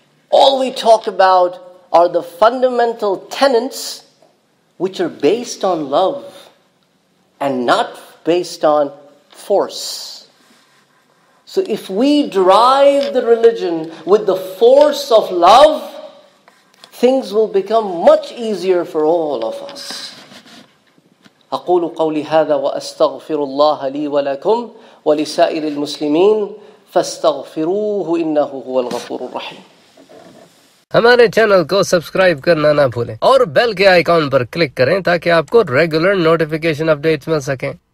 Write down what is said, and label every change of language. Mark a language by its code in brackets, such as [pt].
[en] All we talk about are the fundamental tenets which are based on love and not based on force. So if we drive the religion with the force of love, things will become much easier for all of us. [ar] أقول قولي هذا وأستغفر الله لي ولكم ولسائر المسلمين فاستغفروه إنه هو الغفور الرحيم. [hi] हमारे channel को subscribe करना ना भूलें और bell के icon पर click करें ताकि आपको रेगुलर नोटिफिकेशन अपडेट्स मिल सकें.